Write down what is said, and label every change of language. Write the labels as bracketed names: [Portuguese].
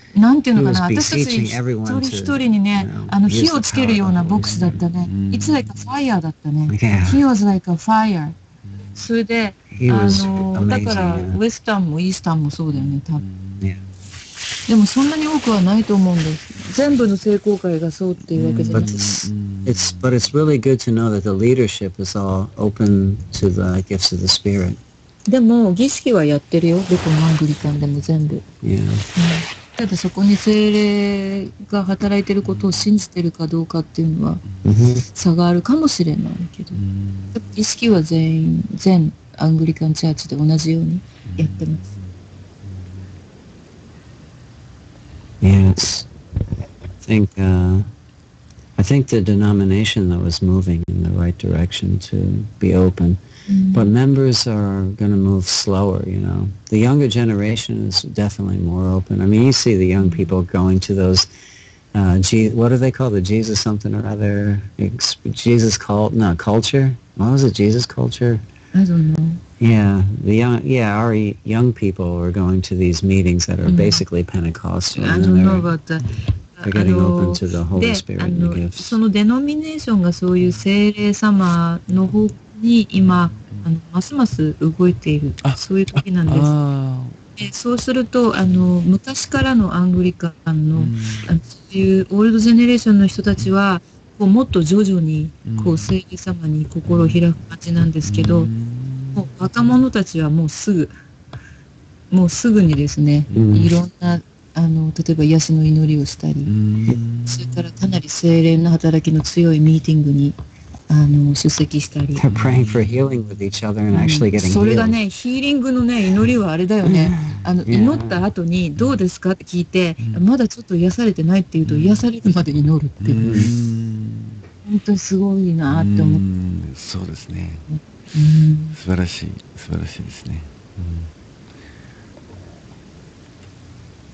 [Japanese] なんていうのかな、私たち一人一人にね、あの、火をつけるような牧師だったね。 [English] It's like a fire [Japanese] だったね。 [English] He was like a fire. [Japanese] それで、あの、だから、ウェスタンもイースタンもそうだよね、多分。でもそんなに多くはないと思うんです。全部の聖公会がそうっていうわけじゃないです。 [English] But it's really good to know that the leadership is all open to the gifts of the Spirit. [Japanese] でも儀式はやってるよ。どこのアングリカンでも全部。 [English] Yeah. [Japanese] うん、ただそこに聖霊が働いてることを信じてるかどうかっていうのは差があるかもしれないけど。儀式は全アングリカンチャーチで同じようにやってます。 [English] Yes, I think the denomination though is moving in the right direction to be open,、 mm-hmm. but members are going to move slower, you know. The younger generation is definitely more open. I mean, you see the young people going to those,、what do they call the Jesus something or other? Jesus cult, no, culture? What was it, Jesus culture? I don't know. Yeah, our young people are going to these meetings that are、mm-hmm. basically Pentecostal. I don't know about that. They're getting open to the Holy Spirit and the gifts. [Japanese] そのデノミネーションがそういう聖霊様の方に今あのますます動いているそういう時なんです。ああ。そうするとあの昔からのアングリカンの、そういうオールドジェネレーションの人たちは、こうもっと徐々にこう聖霊様に心を開く感じなんですけど、もう若者たちはもうすぐにですね、いろんなあの例えば癒しの祈りをしたり、それからかなり聖霊の働きの強いミーティングにあの出席したり、 [English] They're praying for healing with each other and actually getting healed. [Japanese] それがね、ヒーリングのね祈りはあれだよね、あの、祈った後にどうですかって聞いて、まだちょっと癒されてないって言うと癒されるまで祈るっていう、本当にすごいなって思って、そうですね、うん、素晴らしい、素晴らしいですね、うん、